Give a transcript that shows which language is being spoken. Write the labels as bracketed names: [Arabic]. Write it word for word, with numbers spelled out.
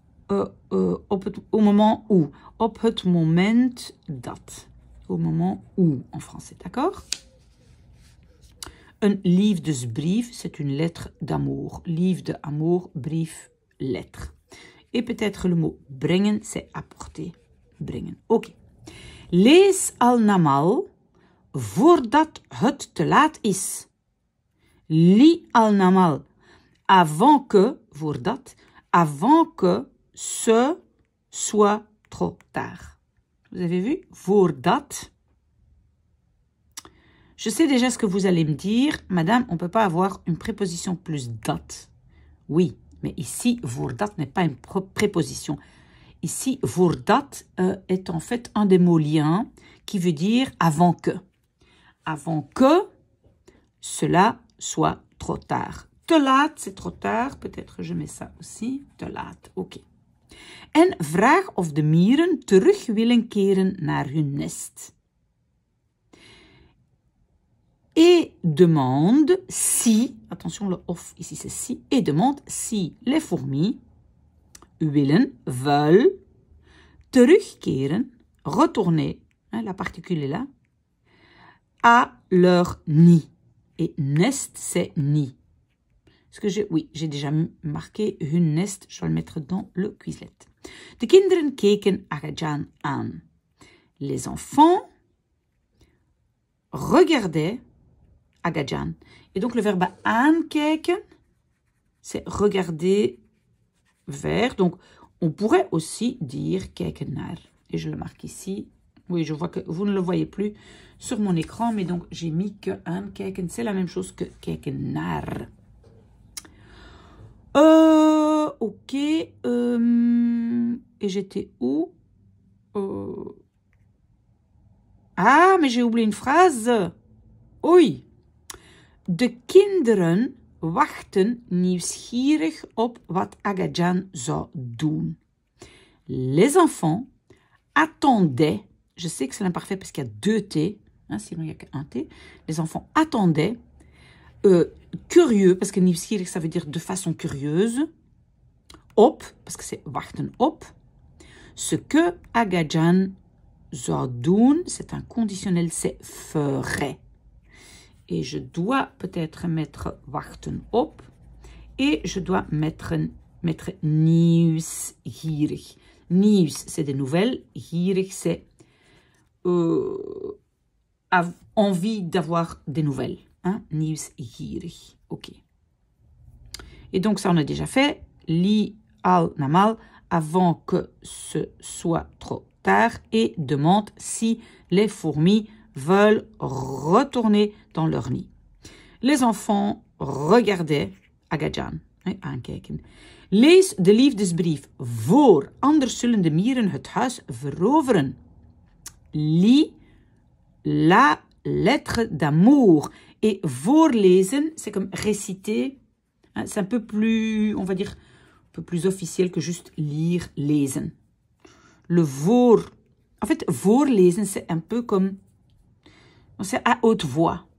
[Dutch] Euh, euh, op het, [French] au moment où. [Dutch] Op het moment dat. [French] Au moment où en français, d'accord? [Dutch] Een liefdesbrief, [French] c'est une lettre d'amour. Liefde, amour, brief, lettre. Et peut-être le mot brengen, c'est apporter. [Dutch] Brengen. Ok. Lees al-Namal voordat het te laat is. Li al-Namal [French] avant que, voordat, avant que ce soit trop tard. Vous avez vu? Voordat. Je sais déjà ce que vous allez me dire. Madame, on ne peut pas avoir une préposition plus date. Oui, mais ici, voordat n'est pas une préposition. Ici, voordat euh, est en fait un des mots liens qui veut dire avant que. Avant que cela soit trop tard. [Dutch] Te laat, [French] c'est trop tard. Peut-être que je mets ça aussi. [Dutch] Te laat, ok. En vraag of de mieren terug willen keren naar hun nest. [French] Et demande si, attention le off ici c'est si, et demande si les fourmis willen, veulent, terugkeren, retourner, hein, la particule est là, à leur nid. Et nest c'est nid. Est-ce que je, oui, j'ai déjà marqué [Dutch] hun nest, [French] je vais le mettre dans le Quizlet. [Dutch] De kinderen keken Agajan aan. [French] Les enfants regardaient Agajan. Et donc, le verbe aankijken, c'est regarder vers. Donc, on pourrait aussi dire [Dutch] kijken naar. [French] Et je le marque ici. Oui, je vois que vous ne le voyez plus sur mon écran. Mais donc, j'ai mis que aankijken, c'est la même chose que [Dutch] kijken naar. [French] Euh, ok. Euh, et j'étais où euh, Ah, mais j'ai oublié une phrase. [Dutch] Oei. De kinderen wachten nieuwsgierig op wat Agajan zou doen. [French] Les enfants attendaient, je sais que c'est l'imparfait parce qu'il y a deux T, hein, sinon il n'y a qu'un T, les enfants attendaient, euh, curieux, parce que nieuwsgierig ça veut dire de façon curieuse, op, parce que c'est wachten op, ce que Agajan [Dutch] zou doen, [French] c'est un conditionnel, c'est ferait. Et je dois peut-être mettre [Dutch] wachten op. [French] Et je dois mettre, mettre nieuwsgierig. Nieuws, c'est des nouvelles. Gierig, c'est euh, av- envie d'avoir des nouvelles. Hein? Nieuwsgierig. Ok. Et donc, ça, on a déjà fait. Li al namal, avant que ce soit trop tard. Et demande si les fourmis veulent retourner dans leur nid. Les enfants regardaient Agajan, hein, aankijken. [Dutch] Lees de liefdesbrief voor, anders zullen de mieren het huis veroveren. [French] Lis la lettre d'amour. Et voorlezen, c'est comme réciter, hein, c'est un peu plus, on va dire, un peu plus officiel que juste lire, lezen. Le voor, en fait, voorlezen, c'est un peu comme c'est à haute voix.